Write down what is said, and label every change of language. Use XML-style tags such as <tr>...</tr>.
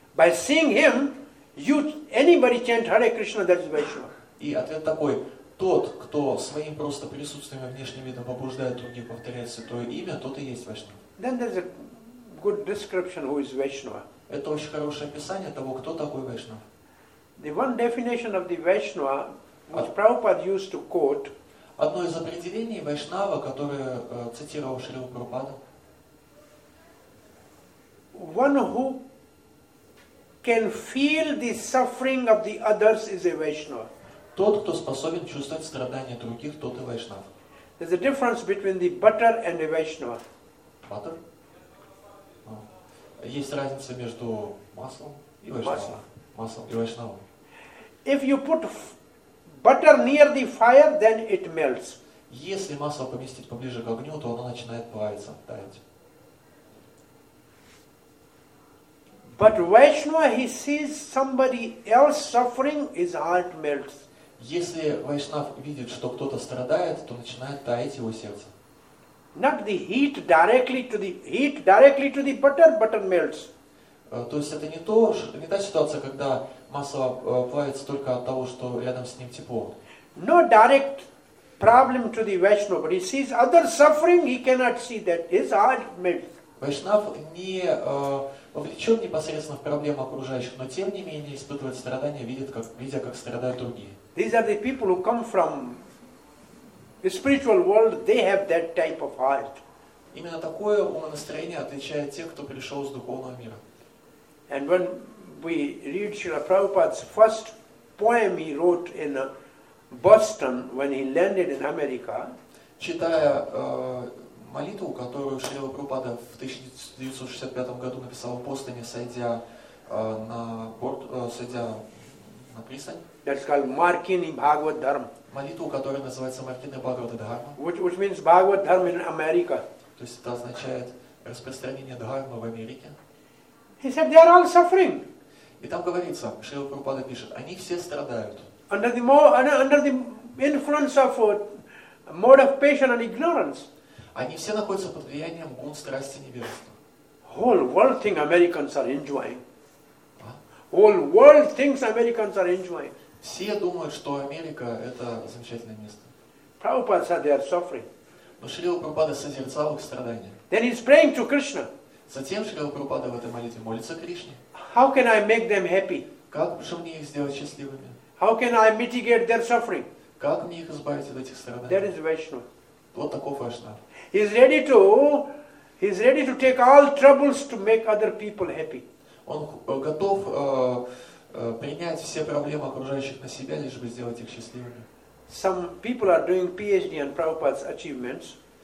<en>By seeing him, you anybody chant Hare Krishna, that is Vaishnava.</en> <ru>И ответ такой, тот, кто своим просто присутствием и внешним видом побуждает у них повторять святое имя, тот и есть Вайшнава.</ru> <en>Then there's a good description who is Vaishnava.</en> <ru>Это очень хорошее описание того, кто такой Вайшнава.</ru> <en>The one definition of the Vaishnava, which Prabhupada used to quote.</en> <ru>Одно из определений Вайшнава, которое цитировал Шрила Прабхупада.</ru> <en>One who can feel the suffering of the others is a Vaishnava.</en> <ru>Тот, кто способен чувствовать страдания других, тот и Вайшнав.</ru> <en>There's a difference between the butter and a Vaishnava. Butter?</en> <ru>Есть разница между маслом и Вайшнавом. Маслом и Вайшнавом.</ru> <en>If you put butter near the fire, then it melts.</en> <ru>Если масло поместить поближе к огню, то оно начинает плавиться, таять.</ru> <en>But Vaishnava, he sees somebody else suffering, his heart melts.</en> <ru>Если Вайшнав видит, что кто-то страдает, то начинает таять его сердце.</ru> <en>Not the heat directly to the heat directly to the butter, butter melts.</en> <ru>То есть это не та ситуация, когда масло плавится только от того, что рядом с ним тепло.</ru> <en>No direct problem to the Vaishnava, but he sees other suffering, he cannot see that his heart melts.</en> <ru>Вайшнав не вовлечен непосредственно в проблемы окружающих, но тем не менее испытывает страдания, видя, как страдают другие.</ru> <en>These are the people who come from the spiritual world, they have that type of heart.</en> <ru>Именно такое умонастроение отличает тех, кто пришел из духовного мира.</ru> <en>And when we read Srila Prabhupada's first poem he wrote in Boston when he landed in America.</en> <ru>Читая молитву, которую Шрила Прабхупада в 1965 году написал в Бостоне, сойдя на борт, сойдя на пристань.</ru> <en>That's called Markini Bhagavad Dharma.</en> <ru>Молитву, которая называется Маркини Бхагавад Дхарма.</ru> <en>Which means Bhagavad Dharma in America.</en> <ru>То есть это означает распространение Дхармы в Америке.</ru> <en>He said they are all suffering.</en> <ru>И там говорится, Шрила Прабхупада пишет, они все страдают.</ru> <en>Under the influence of mode of passion and ignorance.</en> <ru>Они все находятся под влиянием гун страсти невежества.</ru> <en>Whole world thinks Americans are enjoying. Whole world thinks Americans are enjoying.</en> <ru>Все думают, что Америка это замечательное место.</ru> <en>Prabhupada said they are suffering.</en> <ru>Но Шрила Прабхупада созерцал их страдания.</ru> <en>Then he's praying to Krishna.</en> <ru>Затем Шрила Прабхупада в этой молитве молится Кришне.</ru> <en>How can I make them happy?</en> <ru>Как же мне их сделать счастливыми?</ru> <en>How can I mitigate their suffering?</en> <ru>Как мне их избавить от этих страданий?</ru> <en>That is Vaishnava.</en> <ru>Вот такой Вайшнав.</ru> <en>He is ready to take all troubles to make other people happy.</en> <ru>Он готов принять все проблемы окружающих на себя, лишь бы сделать их счастливыми.</ru> <en>Some people are doing PhD on Prabhupada's achievements.</en>